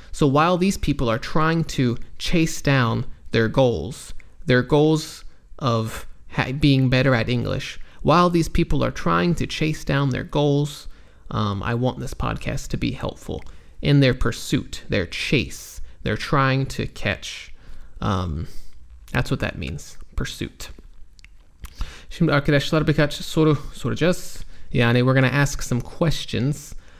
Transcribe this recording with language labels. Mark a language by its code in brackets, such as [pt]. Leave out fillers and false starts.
[en] So while these people are trying to chase down their goals of being better at English, while these people are trying to chase down their goals, I want this podcast to be helpful in their pursuit, their chase. They're trying to catch. That's what that means, pursuit. [tr] Şimdi arkadaşlar birkaç soru soracağız. [en] Yani we're going to ask some questions.